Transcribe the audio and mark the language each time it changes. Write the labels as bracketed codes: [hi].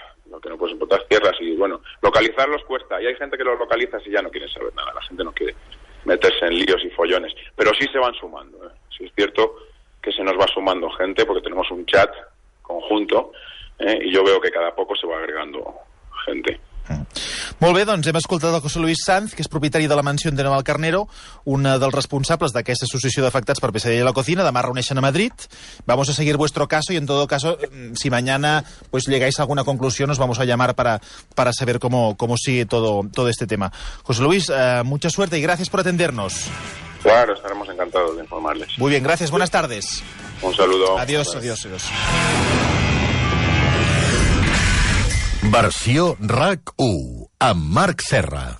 [es] Lo que no puede soportar es tierras y, bueno, localizarlos cuesta. Y hay gente que los localiza y ya no quiere saber nada. La gente no quiere meterse en líos y follones. Pero sí se van sumando. Sí es cierto que se nos va sumando gente porque tenemos un chat conjunto y yo veo que cada poco se va agregando gente. [ca] Molt bé, doncs hem escoltat el José Luis Sanz, que és propietari de la mansió de Navalcarnero, un dels responsables d'aquesta associació d'afectats per pesadilla a la cocina. Demà reuneixen a Madrid. [es] Vamos a seguir vuestro caso y en todo caso, si mañana pues llegáis a alguna conclusión, nos vamos a llamar para saber cómo sigue todo este tema. José Luis, mucha suerte y gracias por atendernos. Claro, estaremos encantados de informarles. Muy bien, gracias, buenas tardes. Un saludo. Adiós, gracias. Adiós. [ca] Versió RAC 1 amb Marc Serra.